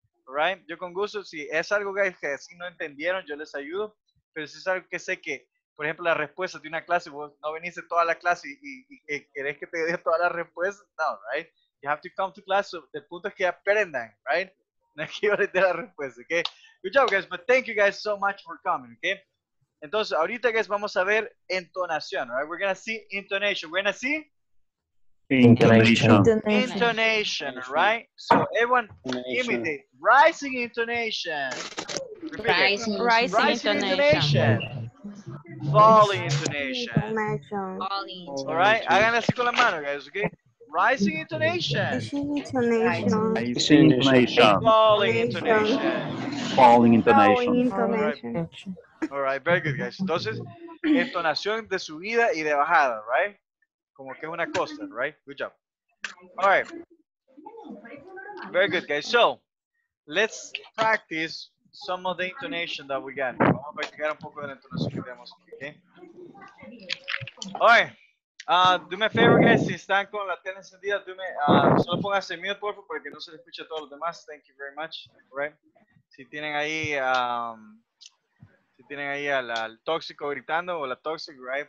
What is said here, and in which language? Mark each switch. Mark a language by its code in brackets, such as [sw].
[es] Alright, yo con gusto, si es algo, guys, que así no entendieron, yo les ayudo, pero si es algo que sé que, por ejemplo, la respuesta de una clase, vos no viniste toda la clase y querés que te dé toda la respuesta, no, right? [en] You have to come to class, so the [es] punto es que aprendan, right? No es que yo les dé la respuesta, okay? [en] Good job, guys, but thank you guys so much for coming, okay? [es] Entonces, ahorita, guys, vamos a ver entonación, [en] right? We're gonna see intonation. We're gonna see? Intonation, right? So, everyone, imitate. Rising intonation. Rising intonation. Falling intonation. All right, [es] hagan así con la mano, [en] guys, okay? Rising intonation. Falling intonation. All right, very good, guys. [es] Entonces, entonación de subida y de bajada, right? Como que es una costa, [en] right? Good job. All right. Very good, guys. So, let's practice some of the intonation that we got. [es] Vamos a practicar un poco de la entonación que tenemos aquí, okay? [en] All right. Do me a favor, guys, [es] si están con la tele encendida, solo pónganse mute, por favor, para que no se les escuche a todos los demás. [en] Thank you very much. All right. [es] Si tienen ahí al tóxico gritando o la toxic, right?